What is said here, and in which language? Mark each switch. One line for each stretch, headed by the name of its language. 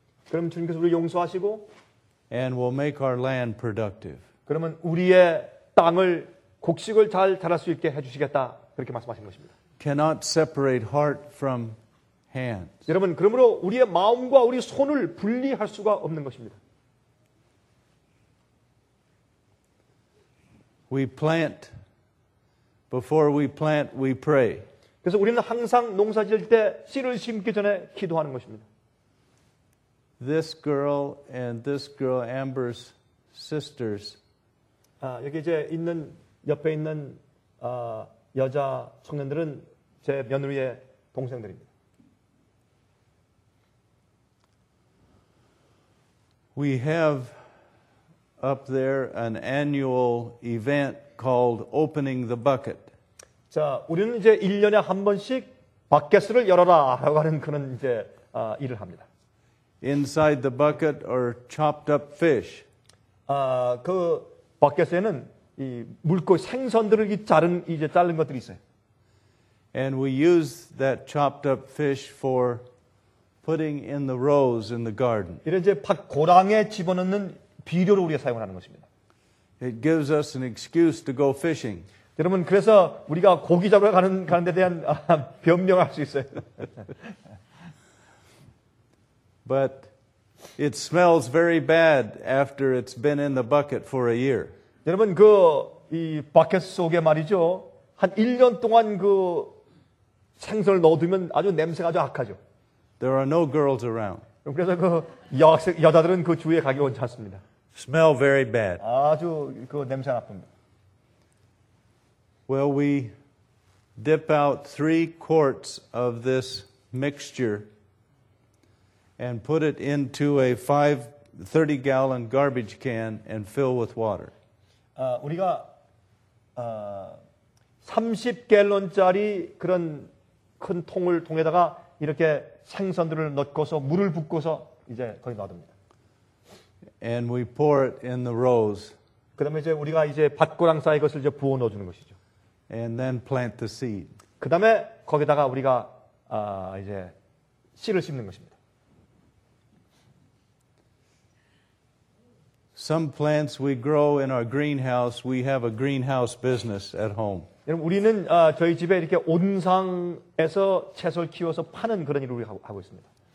Korean: 그럼 주님께서 우리 용서하시고.
English: And will make our land productive.
Korean: 그러면 우리의 땅을 곡식을 잘 자랄 수 있게 해주시겠다 그렇게 말씀하신 것입니다.
English: Cannot separate heart from hands.
Korean: 여러분 그러므로 우리의 마음과 우리 손을 분리할 수가 없는 것입니다.
English: We plant. Before we plant, we pray.
Korean: 그래서 우리는 항상 농사지을 때 씨를 심기 전에 기도하는 것입니다.
English: This girl and this girl Amber's sisters.
Korean: 여기 이제 있는 옆에 있는 여자 청년들은 제 며느리의 동생들입니다.
English: We have up there an annual event called Opening the Bucket.
Korean: 자, 우리는 이제 1년에 한 번씩 바켓을 열어라라고 하는 그런 이제 일을 합니다.
English: Inside the bucket are chopped up fish.
Korean: 아, 그 바켓에는 이 물고기 생선들을 이 자른 이제 자른 것들이 있어요.
English: And we use that chopped up fish for putting in the rows in the garden.
Korean: 이런 이제 밭 고랑에 집어넣는 비료로 우리가 사용을 하는 것입니다.
English: It gives us an excuse to go fishing.
Korean: 여러분, 그래서 우리가 고기 잡으러 가는 데 대한 변명할 수 있어요.
English: But it smells very bad after it's been in the bucket for a year.
Korean: 여러분, 그 이 바켓 속에 말이죠. 한 1년 동안 그 생선을 넣어두면 아주 냄새가 아주 악하죠.
English: There are no girls around.
Korean: 그래서 그 여자들은 그 주위에 가기 원치 않습니다.
English: Smell very bad.
Korean: 아주 그 냄새 나쁩니다.
English: Well, we dip out 3 quarts of this mixture and put it into a 30-gallon garbage can and fill with water.
Korean: 우리가 30갤런짜리 그런 큰 통을 통에다가 이렇게 생선들을 넣고서 물을 붓고서 이제 거기 넣어둡니다.
English: And we pour it in the rows.
Korean: 그다음에 이제 우리가 이제 밭고랑 사이 것을 이제 부어 넣어주는 것이죠.
English: And then plant the seed.
Korean: 그다음에 거기다가 우리가 이제 씨를 심는 것입니다.
English: Some plants we grow in our greenhouse. We have a greenhouse business at home.
Korean: 여러분, 우리는 저희 집에 이렇게 온상에서 채소를 키워서 파는 그런 일을 하고 있습니다.